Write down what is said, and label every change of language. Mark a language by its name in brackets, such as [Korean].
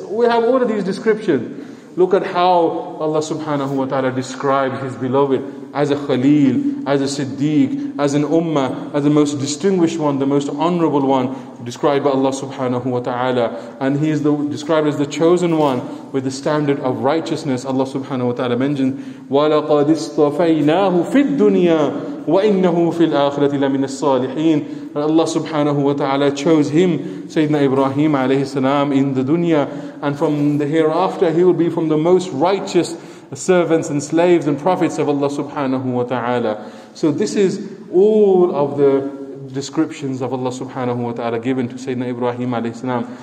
[English] We have all of these descriptions. Look at how Allah subhanahu wa ta'ala described His beloved as a khaleel, as a siddiq, as an ummah, as the most distinguished one, the most honorable one, described by Allah subhanahu wa ta'ala. And He is described as the chosen one with the standard of righteousness. [Arabic] Allah subhanahu wa ta'ala mentions, وَلَقَدْ اصْطَفَيْنَاهُ فِي الدُّنْيَا وَإِنَّهُ فِي الْآخِرَةِ لَمِنَ الصَّالِحِينَ. [English] And Allah subhanahu wa ta'ala chose him, Sayyidina Ibrahim alayhi salam, in the dunya. And from the hereafter, he will be from the most righteous servants and slaves and prophets of Allah subhanahu wa ta'ala. So this is all of the descriptions of Allah subhanahu wa ta'ala given to Sayyidina Ibrahim alayhi salam.